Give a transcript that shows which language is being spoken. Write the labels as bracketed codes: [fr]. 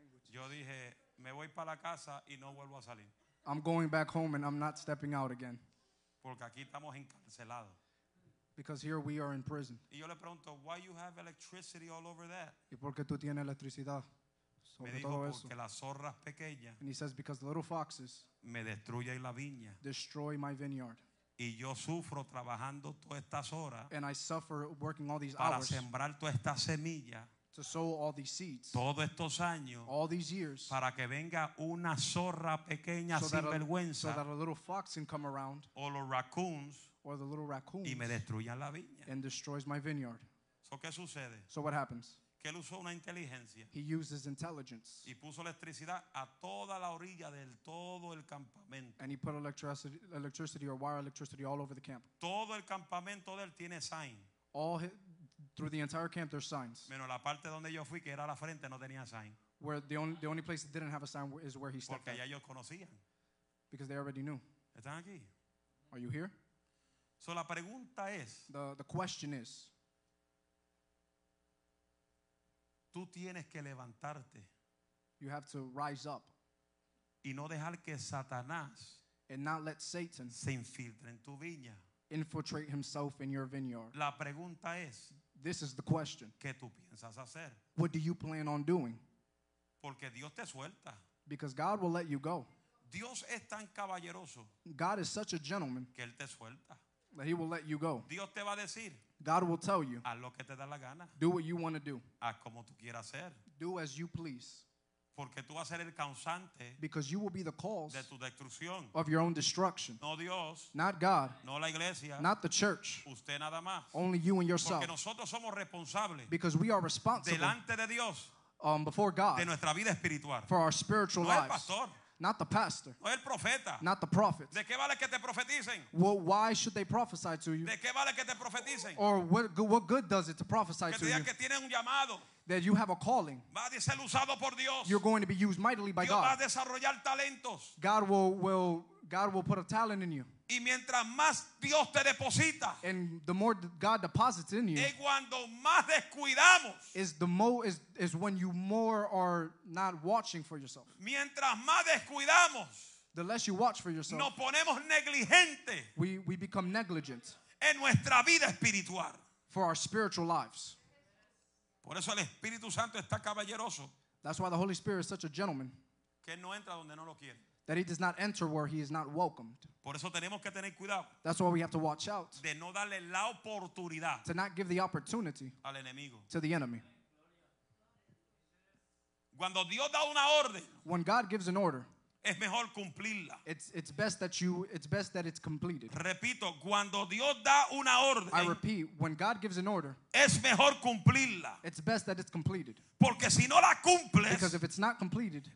[es] Yo dije, me voy para la casa y no vuelvo a salir. [en] I'm going back home and I'm not stepping out again. [es] Porque aquí estamos encarcelados. [en] Because here we are in prison. [es] Y yo le pregunto, [en] why you have electricity all over that? [es] ¿Y por qué tú tienes electricidad sobre me dijo, todo porque eso? Las zorras pequeñas. [en] And he says, because little foxes [es] me destruyen la viña. [en] Destroy my vineyard. [es] Y yo sufro trabajando todas estas horas. [en] And I suffer working all these [es] para [en] hours. [es] Para sembrar toda esta semilla. [en] To sow all these seeds. [es] Todos estos años. [en] All these years. [es] Para que venga una zorra pequeña [en] so [es] sinvergüenza. [en] That a, so that a little fox can come around. [es] O los raccoons. [en] Or the little raccoons [es] y me destruye la viña. [en] And destroys my vineyard. [es] So, ¿qué sucede? [en] So what happens? [es] Que él usó una inteligencia. [en] He uses intelligence. [es] Y puso electricidad a toda la orilla del todo el campamento. [en] And he put electricity or wire electricity all over the camp. [es] Todo el campamento de él tiene sign. [en] Through the entire camp there's signs. [es] Menos la parte donde yo fui que era la frente no tenía sign. [en] Where the only place that didn't have a sign is where he stepped. [es] Porque ya ellos conocían. [en] Because they already knew. [es] ¿Están aquí? [en] Are you here? [es] So la pregunta es, [en] the question is, [es] tú tienes que levantarte. [en] You have to rise up. [es] Y no dejar que Satanás, [en] and not let Satan, [es] se infiltre en tu viña. [en] Infiltrate himself in your vineyard. [es] La pregunta es, [en] this is the question. [es] ¿Qué tú piensas hacer? [en] What do you plan on doing? [es] Porque Dios te suelta. [en] Because God will let you go. [es] Dios es tan caballeroso. [en] God is such a gentleman. [es] Que él te suelta. [en] That he will let you go. [es] Dios te va a decir, [en] God will tell you. [es] Haz lo que te da la gana. [en] Do what you want to do. [es] Haz como tú quieras hacer. [en] Do as you please. [es] Porque tú vas a ser el causante. [en] Because you will be the cause [es] de tu destrucción. [en] Of your own destruction. [es] No Dios. [en] Not God. [es] No la iglesia. [en] Not the church. [es] Usted nada más. [en] Only you and yourself. [es] Porque nosotros somos responsables. [en] Because we are responsible. [es] Delante de Dios. [en] Before God. [es] De nuestra vida espiritual. [en] For our spiritual [es] no [en] lives. [es] El pastor. [en] Not the pastor. [es] No el profeta. [en] Not the prophet. [es] ¿De qué vale que te profeticen? [en] Well, why should they prophesy to you? [es] ¿De qué vale que te profeticen? [en] Or what good does it to prophesy [es] que [en] to you? [es] Que tienen un llamado. [en] That you have a calling. [es] Va a ser usado por Dios. [en] You're going to be used mightily by [es] Dios [en] God. [es] Va a desarrollar talentos. [en] God will put a talent in you. [es] Y mientras más Dios te deposita, [en] and the more God deposits in you, [es] es cuando más descuidamos. [en] Is when you more are not watching for yourself. [es] Mientras más descuidamos, [en] the less you watch for yourself, [es] nos ponemos negligente. [en] We become negligent [es] en nuestra vida espiritual [en] for our spiritual lives. [es] Por eso el Espíritu Santo está caballeroso. [en] That's why the Holy Spirit is such a gentleman. [es] Que no entra donde no lo quiere. [en] That he does not enter where he is not welcomed. [es] Por eso tenemos que tener cuidado. [en] That's why we have to watch out. [es] De no darle la oportunidad. [en] To not give the opportunity [es] al enemigo. [en] To the enemy. [es] Cuando Dios da una orden, [en] when God gives an order, [es] es mejor cumplirla. [en] It's best that it's completed. [es] Repito, cuando Dios da una orden, [en] I repeat, when God gives an order, [es] es mejor cumplirla. [en] It's best that it's completed. [es] Porque si no la cumples, [en] because if it's not completed,